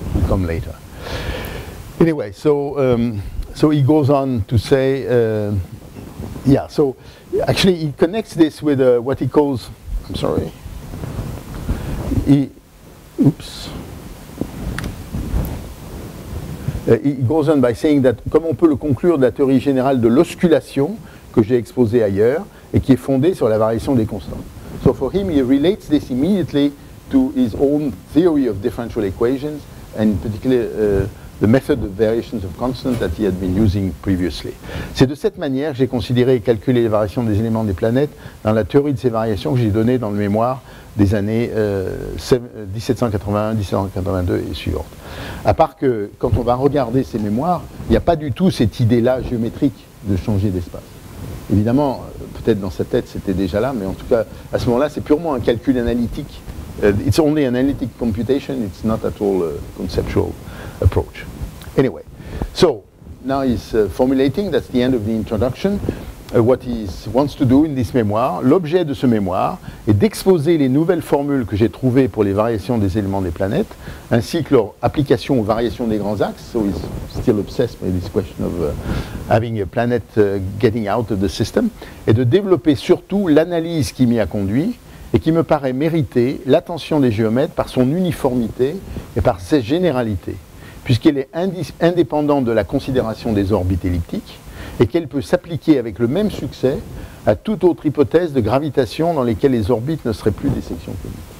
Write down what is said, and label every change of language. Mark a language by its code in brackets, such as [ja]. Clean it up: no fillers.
[en] It will come later. Anyway, so so he goes on to say, so actually he connects this with what he calls, he goes on by saying that, [fr] comme on peut le conclure de la théorie générale de l'osculation que j'ai exposée ailleurs et qui est fondée sur la variation des constantes. [en] So for him he relates this immediately to his own theory of differential equations and in particular the method of variations of constants that he had been using previously. [fr] C'est de cette manière que j'ai considéré et calculé les variations des éléments des planètes dans la théorie de ces variations que j'ai donnée dans le mémoire des années 1781, 1782 et suivantes. À part que, quand on va regarder ces mémoires, il n'y a pas du tout cette idée-là géométrique de changer d'espace. Évidemment, peut-être dans sa tête, c'était déjà là, mais en tout cas, à ce moment-là, c'est purement un calcul analytique. [en] It's only an analytic computation, it's not at all a conceptual approach. Anyway, so now he's formulating, that's the end of the introduction, what he wants to do in this mémoire. [fr] L'objet de ce mémoire est d'exposer les nouvelles formules que j'ai trouvées pour les variations des éléments des planètes, ainsi que leur application aux variations des grands axes. [en] So he's still obsessed by this question of having a planet getting out of the system, [fr] et de développer surtout l'analyse qui m'y a conduit, et qui me paraît mériter l'attention des géomètres par son uniformité et par ses généralités, puisqu'elle est indépendante de la considération des orbites elliptiques, et qu'elle peut s'appliquer avec le même succès à toute autre hypothèse de gravitation dans lesquelles les orbites ne seraient plus des sections cubiques.